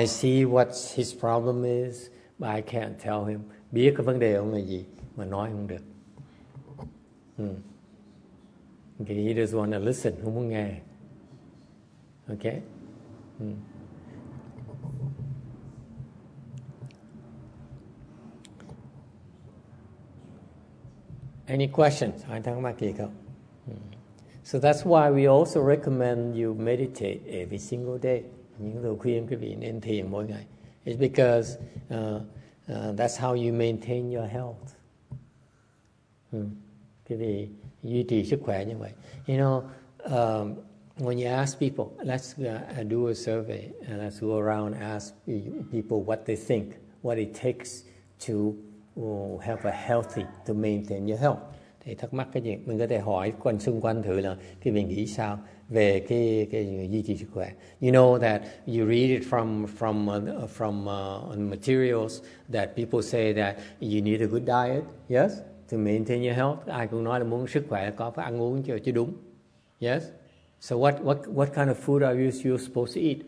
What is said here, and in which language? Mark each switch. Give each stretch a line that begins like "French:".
English: I see what his problem is, but I can't tell him.
Vietnamese: Biết cái vấn đề ông là gì mà nói không được.
English: Okay, he doesn't want to listen,
Vietnamese: không muốn nghe.
English: Okay. Any questions?
Vietnamese: Ai thắc mắc gì không?
English: So that's why we also recommend you meditate every single day.
Vietnamese: Những lời khuyên quý vị nên thiền mỗi ngày.
English: It's because that's how you maintain your health.
Vietnamese: Quý vị duy trì sức khỏe như vậy.
English: You know, when you ask people, let's do a survey and let's go around and ask people what they think, what it takes to have a healthy, to maintain your health.
Vietnamese: Thì thắc mắc cái gì? Mình có thể hỏi quanh xung quanh thử là cái mình nghĩ sao về cái duy trì sức khỏe.
English: You know that you read it from materials that people say that you need a good diet, yes, to maintain your health.
Vietnamese: Ai cũng nói là muốn sức khỏe có phải ăn uống chứ đúng.
English: Yes. So what kind of food are you supposed to eat?